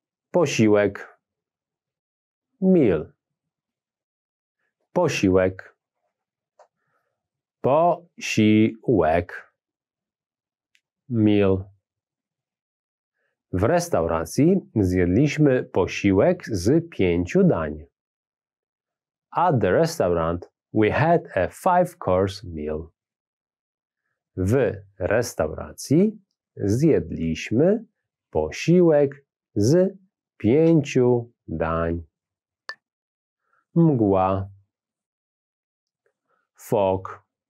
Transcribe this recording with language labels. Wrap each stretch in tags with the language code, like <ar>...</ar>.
<pl>Posiłek. Meal. Posiłek. Posiłek. Meal. W restauracji zjedliśmy posiłek z 5 dań.</pl> <en>At the restaurant we had a 5-course meal.</en> <pl>W restauracji zjedliśmy posiłek z 5 dań. Mgła.</pl> <en>Fog.</en>